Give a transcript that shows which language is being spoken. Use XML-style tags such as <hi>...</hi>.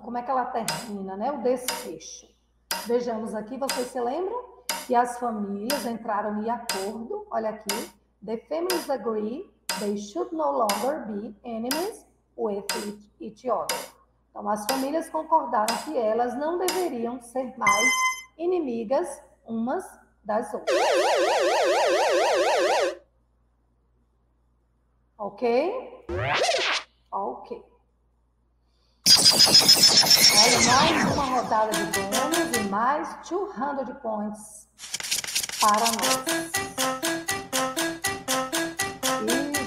<pt>Como é que ela termina, né? O desfecho. Vejamos aqui, vocês se lembram que as famílias entraram em acordo. Olha aqui.</pt> <en>The families agree they should no longer be enemies with each other.</en> <pt>Então, as famílias concordaram que elas não deveriam ser mais inimigas umas das outras. Ok? Ok. Olha, mais uma rodada de bônus e mais 200 points para nós.</pt>